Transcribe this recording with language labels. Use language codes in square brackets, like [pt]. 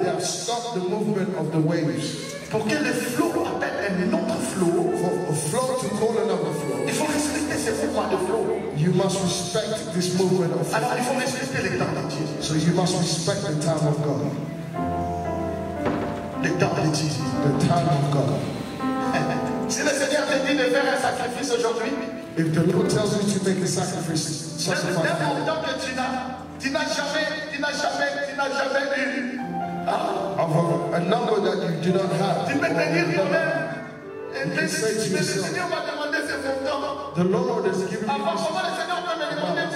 [en] They have stopped the movement of the waves. [fr] Pour que le flot appelle un autre flot. [en] For a flow to call another flow. [fr] Il faut respecter ce mouvement de flot. [en] You must respect this movement of flow. [fr] Alors il faut respecter le temps de Dieu. [en] So you must respect the time of God. [fr] Le temps de Dieu. [en] The time of God. [fr] Si le Seigneur te dit de faire un sacrifice aujourd'hui, [en] if the Lord tells you to make a sacrifice, of a number that you do not have, the Lord has given you this.